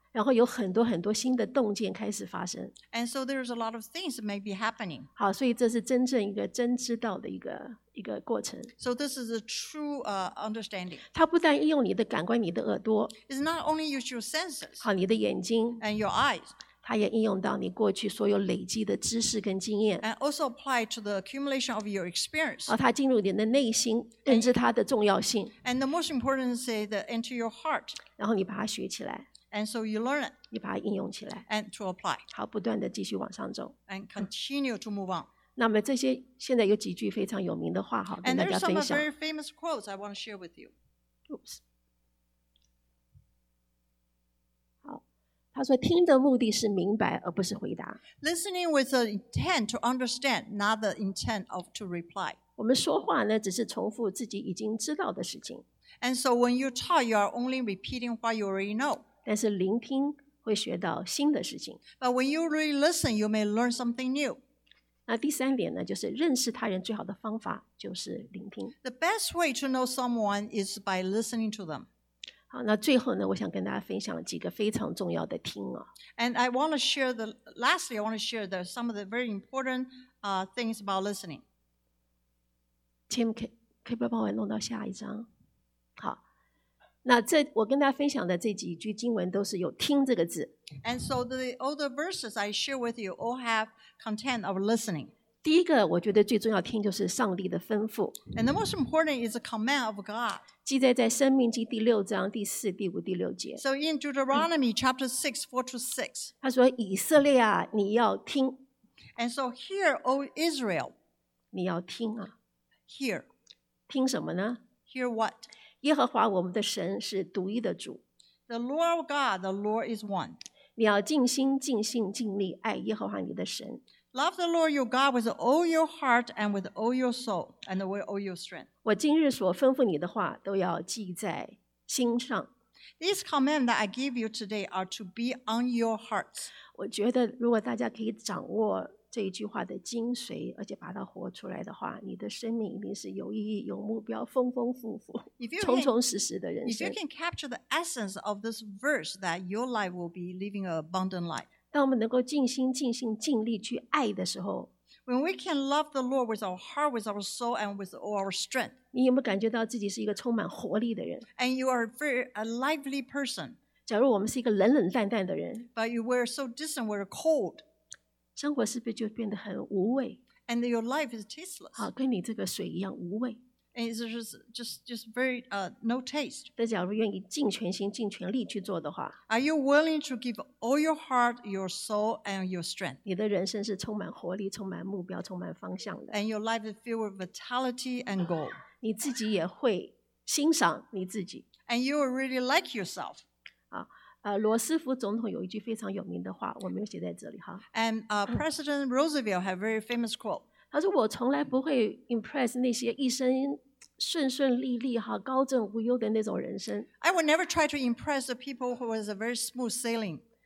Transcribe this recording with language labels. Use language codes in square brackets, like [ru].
[zh] 然后有很多很多新的动静开始发生。 [en] And so there's a lot of things that may be happening. [zh] 好，所以这是真正一个真知道的一个过程。 [en] So this is a true understanding. [zh] 它不但应用你的感官，你的耳朵。 [en] It's not only use your senses. [zh] 好，你的眼睛。 [en] And your eyes. [zh] 它也应用到你过去所有累积的知识跟经验。 [en] And also apply to the accumulation of your experience. [zh] 好，它进入你的内心，认知它的重要性。 [en] And the most important is that into your heart. [zh] 然后你把它学起来。 [en] And so you learn it. [zh] 你把它应用起来。 [en] And to apply. [zh] 好，不断的继续往上走。 [en] And continue to move on. [zh] 那么这些现在有几句非常有名的话，好，跟大家分享。 [en] And there's some very famous quotes I want to share with you. Oops. [zh] 他说听的目的是明白而不是回答。 [en] Listening with the intent to understand, not the intent of to reply. [zh] 我们说话呢只是重复自己已经知道的事情。 [en] And so when you talk, you are only repeating what you already know. [zh] 但是聆听会学到新的事情。 [en] But when you really listen, you may learn something new. [zh] 那第三点呢，就是认识他人最好的方法就是聆听。 [en] The best way to know someone is by listening to them. [zh] 好，那最后呢，我想跟大家分享几个非常重要的听啊。 [en] And I want to share the lastly, I want to share the some of the very important things about listening. [zh] Tim, 可以不要帮我弄到下一张？好，那这我跟大家分享的这几句经文都是有“听”这个字。 [en] And so all the verses I share with you all have. Content of listening. [zh] 第一个我觉得最重要听就是上帝的吩咐。 [en] And the most important is the command of God. [zh] 记载在生命记第六章第四、第五、第六节。 [en] So in Deuteronomy chapter 6, 4 to 6. [zh] 他说以色列啊你要听。 [en] And so hear, O Israel. [zh] 你要听啊。 [en] Hear. [zh] 听什么呢 [en] ?Hear what? [zh] 耶和华我们的神是独一的主。 [en] The Lord of God, the Lord is one. [zh] 你要尽心、尽性、尽力爱耶和华你的神。 [en] Love the Lord your God with all your heart and with all your soul and with all your strength. [zh] 我今日所吩咐你的话都要记在心上。 [en] These commands that I give you today are to be on your hearts. [zh] 我觉得如果大家可以掌握这一句话的精髓，而且把它活出来的话，你的生命一定是有意义、有目标、丰丰富富、充充实实的人生。 [en] If you can capture the essence of this verse, that your life will be living an abundant life. [zh] 当我们能够尽心、尽性、尽力去爱的时候 [en] ，When we can love the Lord with our heart, with our soul, and with all our strength， [zh] 你有没有感觉到自己是一个充满活力的人 [en] ？And you are a lively person. [zh] 假如我们是一个冷冷淡淡的人 [en] ，But you were so distant, were cold. [zh] 生活是不是就变得很无味 [en] ？And your life is tasteless. [zh] 好，跟你这个水一样无味。 [en] And it's just very no taste. [zh] 但假如愿意尽全心、尽全力去做的话 [en] ，Are you willing to give all your heart, your soul, and your strength? [zh] 你的人生是充满活力、充满目标、充满方向的。 [en] And your life is filled with vitality and goal. [zh] 你自己也会欣赏你自己。 [en] And you will really like yourself. [zh] 罗斯福总统有一句非常有名的话，我没有写在这里哈。 [en] And President Roosevelt had a very famous quote. [zh] 他说：“我从来不会 impress 那些一生顺顺利利哈、高枕无忧的那种人生。 [en] I would never try to impress the people who was a very smooth sailing.